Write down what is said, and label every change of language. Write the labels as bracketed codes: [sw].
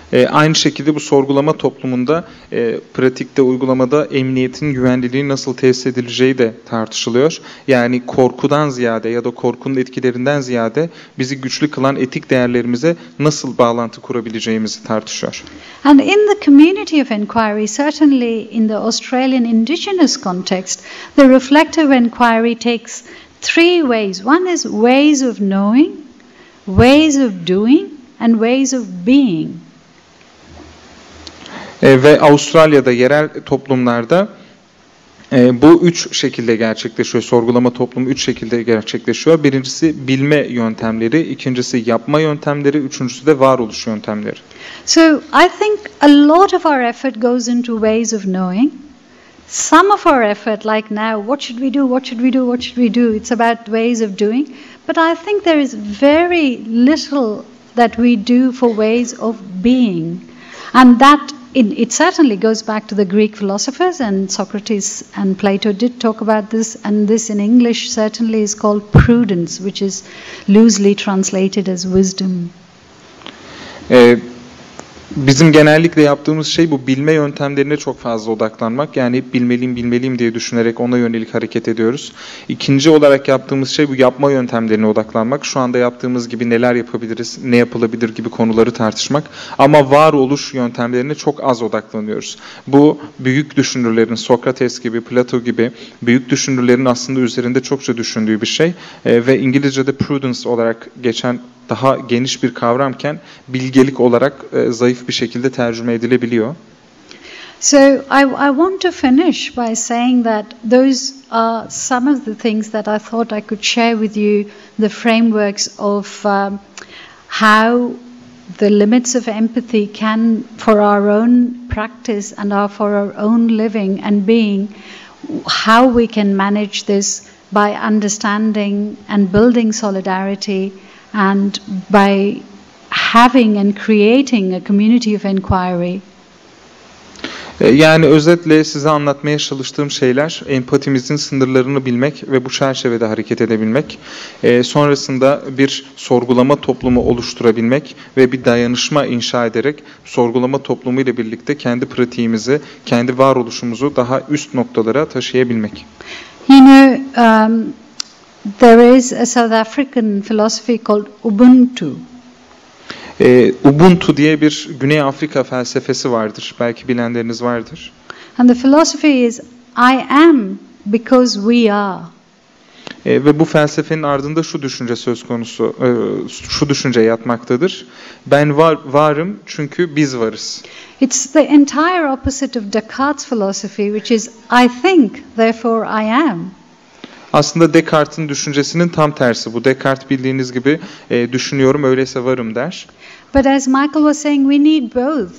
[tr] Aynı şekilde bu sorgulama toplumunda pratikte uygulamada emniyetin güvenliliği nasıl tesis edileceği de tartışılıyor. Yani korkudan ziyade ya da korkunun etkilerinden ziyade bizi güçlü kılan etik değerlerimize nasıl bağlantı kurabileceğimizi tartışıyor. [en] And in the community of inquiry, certainly in the Australian Indigenous context, the reflective inquiry takes three ways. One is ways of knowing, ways of doing, and ways of being. [tr] Ve Avustralya'da yerel toplumlarda bu üç şekilde gerçekleşiyor. Sorgulama toplumu üç şekilde gerçekleşiyor. Birincisi bilme yöntemleri, ikincisi yapma yöntemleri, üçüncüsü de varoluş yöntemleri. [en] So I think a lot of our effort goes into ways of knowing. Some of our effort, like now, what should we do, what should we do, what should we do? It's about ways of doing. But I think there is very little that we do for ways of being. And that it certainly goes back to the Greek philosophers, and Socrates and Plato did talk about this, and this in English certainly is called prudence, which is loosely translated as wisdom. [tr] Bizim genellikle yaptığımız şey bu bilme yöntemlerine çok fazla odaklanmak. Yani bilmeliyim, bilmeliyim diye düşünerek ona yönelik hareket ediyoruz. İkinci olarak yaptığımız şey bu yapma yöntemlerine odaklanmak. Şu anda yaptığımız gibi neler yapabiliriz, ne yapılabilir gibi konuları tartışmak. Ama varoluş yöntemlerine çok az odaklanıyoruz. Bu büyük düşünürlerin, Sokrates gibi, Plato gibi büyük düşünürlerin aslında üzerinde çokça düşündüğü bir şey. Ve İngilizce'de prudence olarak geçen daha geniş bir kavramken bilgelik olarak zayıf bir şekilde tercüme edilebiliyor. [en] So I want to finish by saying that those are some of the things that I thought I could share with you, the frameworks of how the limits of empathy can for our own practice and our for our own living and being, how we can manage this by understanding and building solidarity. And by having and creating a community of inquiry. [tr] Yani özetle size anlatmaya çalıştığım şeyler empatimizin sınırlarını bilmek ve bu çerçevede hareket edebilmek. Sonrasında bir sorgulama toplumu oluşturabilmek ve bir dayanışma inşa ederek sorgulama toplumu ile birlikte kendi pratiğimizi, kendi varoluşumuzu daha üst noktalara taşıyabilmek. [en] You know, there is a South African philosophy called Ubuntu. [tr] Ubuntu diye bir Güney Afrika felsefesi vardır. Belki bilenleriniz vardır. [en] And the philosophy is I am because we are. [tr] Ve bu felsefenin ardında şu düşünce söz konusu, şu düşünce yatmaktadır. Ben varım çünkü biz varız. [en] It's the entire opposite of Descartes' philosophy, which is I think, therefore I am. [tr] Aslında Descartes'in düşüncesinin tam tersi bu. Descartes bildiğiniz gibi düşünüyorum öyleyse varım der. [en] But as Michael was saying, we need both.